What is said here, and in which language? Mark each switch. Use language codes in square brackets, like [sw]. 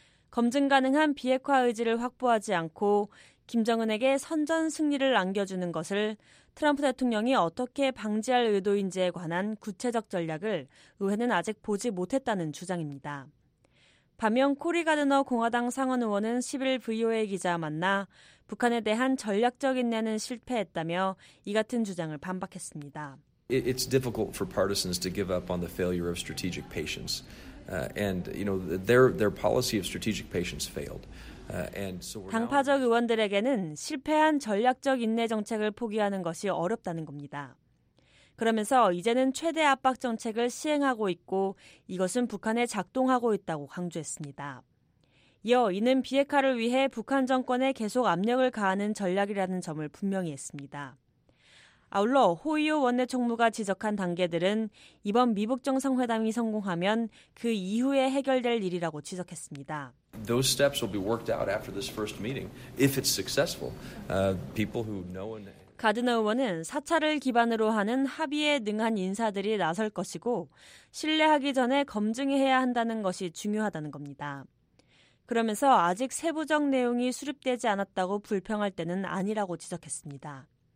[ko] 검증 가능한 비핵화 의지를 확보하지 않고 김정은에게 선전 승리를 안겨주는 것을 트럼프 대통령이 어떻게 방지할 의도인지에 관한 구체적 전략을 의회는 아직 보지 못했다는 주장입니다. 반면 코리 가드너 공화당 상원 의원은 10일 VOA 기자와 만나 북한에 대한 전략적 인내는 실패했다며 이 같은 주장을 반박했습니다. [en] It's difficult for partisans to give up on the failure of strategic patience. And you know their policy of strategic patience failed. And so we're [ko] 당파적 의원들에게는 실패한 전략적 인내 정책을 포기하는 것이 어렵다는 겁니다. 그러면서 이제는 최대 압박 정책을 시행하고 있고 이것은 북한에 작동하고 있다고 강조했습니다. 이어 이는 비핵화를 위해 북한 정권에 계속 압력을 가하는 전략이라는 점을 분명히 했습니다. 아울러 호이오 원내총무가 지적한 단계들은 이번 미북 정상회담이 성공하면 그 이후에 해결될 일이라고 지적했습니다. [en] Those steps will be worked out after this first meeting if it's successful. People who know and [ko] 가드너 의원은 사찰을 기반으로 하는 합의에 능한 인사들이 나설 것이고 신뢰하기 전에 검증해야 한다는 것이 중요하다는 겁니다. 그러면서 아직 세부적 내용이 수립되지 않았다고 불평할 때는 아니라고 지적했습니다.